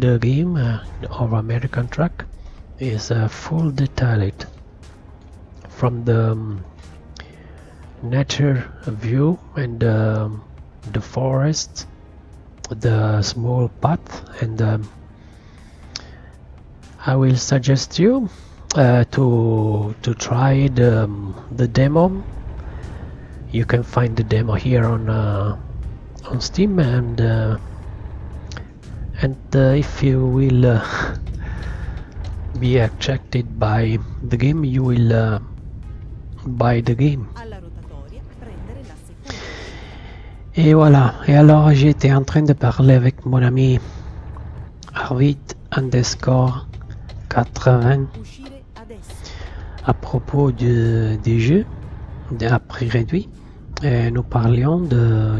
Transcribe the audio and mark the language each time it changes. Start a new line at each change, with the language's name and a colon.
English: the game of American Truck, is full detailed from the nature view and the forest, the small path, and I will suggest you to try the demo. You can find the demo here on Steam, and if you will be attracted by the game, you will buy the game.
Italian: Alla rotatoria, prendere la seconda.
French: Et voilà, et alors j'étais en train de parler avec mon ami Arvid underscore 80.
Italian: Uscire adesso.
French: À propos des jeux à prix réduit, et nous parlions de.